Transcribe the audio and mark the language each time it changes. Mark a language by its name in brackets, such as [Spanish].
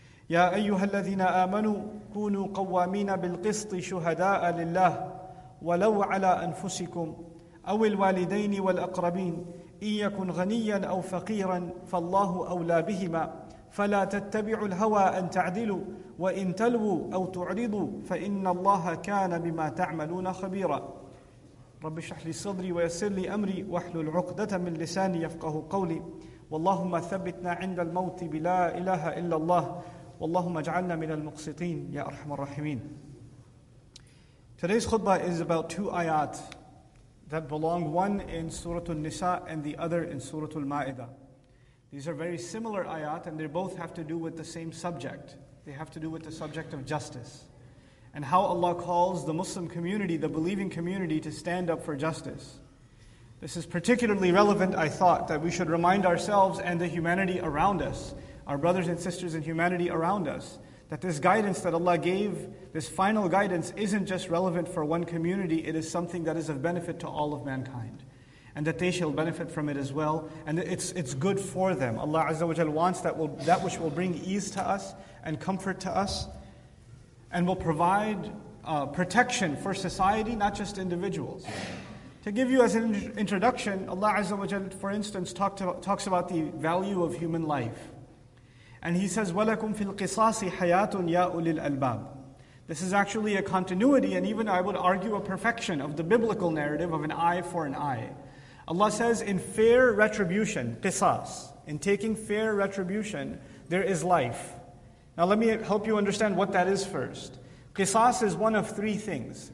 [Arabic] يا أيها الذين آمنوا كونوا قوامين بالقسط شهداء لله ولو على أنفسكم أو الوالدين والأقربين إن يكن غنيا أو فقيرا فالله أولى بهما فلا تتبعوا الهوى أن تعدلوا وإن تلووا أو تعرضوا فإن الله كان بما تعملون خبيرا رب اشرح لي صدري ويسر لي أمري واحلل عقدة من لساني يفقه قولي واللهم ثبتنا عند الموت بلا إله إلا الله واللهم اجعلنا من المقسطين يا أرحم الراحمين. [English] Today's khutbah is about two ayat that belong, one in Surah An-Nisa and the other in Surah Al-Ma'idah. These are very similar ayat and they both have to do with the same subject. They have to do with the subject of justice and how Allah calls the Muslim community, the believing community, to stand up for justice. This is particularly relevant, I thought, that we should remind ourselves and the humanity around us, our brothers and sisters in humanity around us, that this guidance that Allah gave, this final guidance, isn't just relevant for one community, it is something that is of benefit to all of mankind, and that they shall benefit from it as well, and it's good for them. Allah Azza wa Jal wants that which will bring ease to us and comfort to us, and will provide protection for society, not just individuals. To give you as an introduction, Allah Azza wa Jal, for instance, talks about the value of human life. And He says, [Arabic] وَلَكُمْ فِي الْقِصَاصِ حَيَاةٌ يَا أُولِي الْأَلْبَابِ. [English] This is actually a continuity, and even I would argue a perfection of the biblical narrative of an eye for an eye. Allah says, in fair retribution, qisas, in taking fair retribution, there is life. Now let me help you understand what that is first. Qisas is one of three things.